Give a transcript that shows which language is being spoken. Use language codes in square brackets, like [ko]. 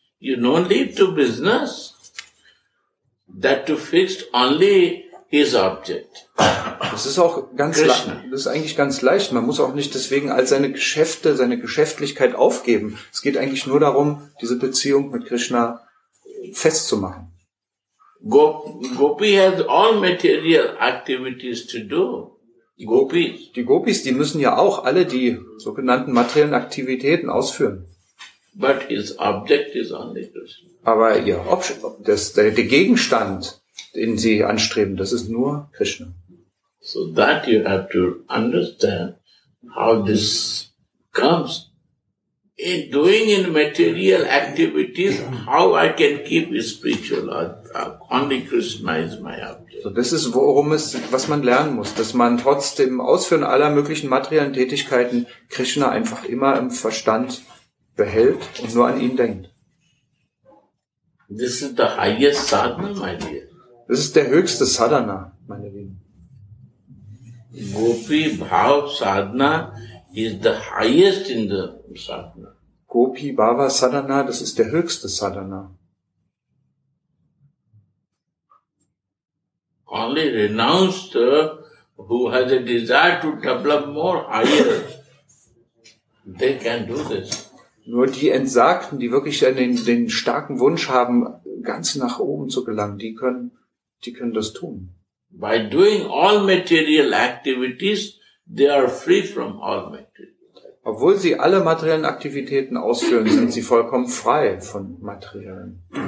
[en] You don't leave to business that to fix only his object. [de] Das ist auch ganz leicht. Das ist eigentlich ganz leicht. Man muss auch nicht deswegen all seine Geschäfte, seine Geschäftlichkeit aufgeben. Es geht eigentlich nur darum, diese Beziehung mit Krishna festzumachen. [en] Gopi has all material activities to do. [de] Die Gopis, die müssen ja auch alle die sogenannten materiellen Aktivitäten ausführen. [en] But his object is only Krishna. [de] Aber ihr der Gegenstand, den sie anstreben, das ist nur Krishna. [en] So that you have to understand how this comes. In doing in material activities, how I can keep spiritual? Only Krishna is my object. [de] So, das ist, worum es, was man lernen muss, dass man trotzdem ausführen aller möglichen materiellen Tätigkeiten Krishna einfach immer im Verstand behält und nur an ihn denkt. [en] This is the highest sadhana, my dear. [de] Das ist der höchste Sadhana, meine Lieben. [en] Gopi Bhav Sadhana is the highest in the sadhana. [de] Gopi Bhava Sadhana, das ist der höchste Sadhana. [en] Only renounced who has a desire to develop more higher, they can do this. [de] Nur die Entsagten, die wirklich den starken Wunsch haben, ganz nach oben zu gelangen, die können das tun. [en] By doing all material activities, they are free from all material. [de] Obwohl sie alle materiellen Aktivitäten ausführen, sind sie vollkommen frei von materiellen.